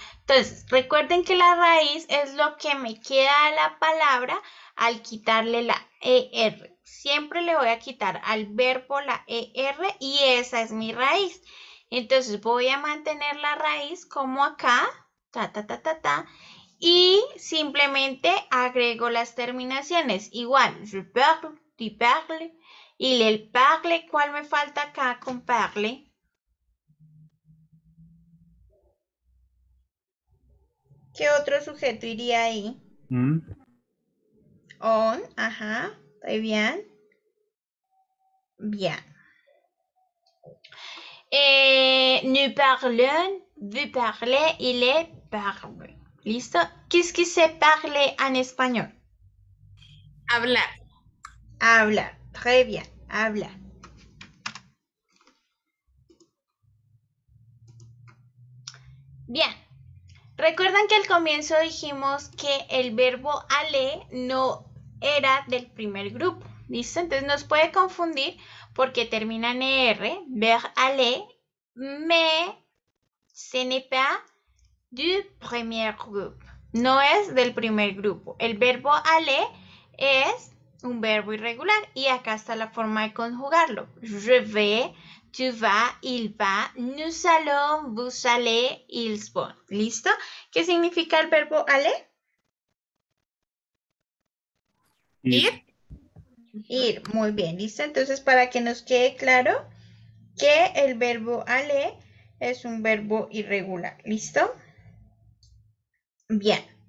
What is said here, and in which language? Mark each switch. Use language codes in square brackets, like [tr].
[es] Entonces, recuerden que la raíz es lo que me queda a la palabra al quitarle la ER. Siempre le voy a quitar al verbo la ER y esa es mi raíz. Entonces, voy a mantener la raíz como acá, ta, ta, ta, ta, ta. Y simplemente agrego las terminaciones. Igual, [fr] je parle, tu parles, il, elle parle. [es] ¿Cuál me falta acá con parle? ¿Qué otro sujeto iría ahí? On, ajá, muy bien. Bien. [fr] Nous parlons, vous parlez, il est parle. [es] ¿Listo? ¿Qué es que [fr] se parle [es] en español? Hablar. Habla. [fr] Très bien. [es] Habla. Bien. Recuerdan que al comienzo dijimos que el verbo aller no era del primer grupo. ¿Listo? Entonces nos puede confundir porque termina en er, ver aller, [fr] mais ce n'est pas du premier groupe. [es] No es del primer grupo. El verbo aller es un verbo irregular y acá está la forma de conjugarlo. [fr] Je vais, tu vas, il va, nous allons, vous allez, ils vont. [es] ¿Listo? ¿Qué significa el verbo aller? Ir. Ir. Muy bien, ¿listo? Entonces, para que nos quede claro que el verbo aller es un verbo irregular. ¿Listo? Bien.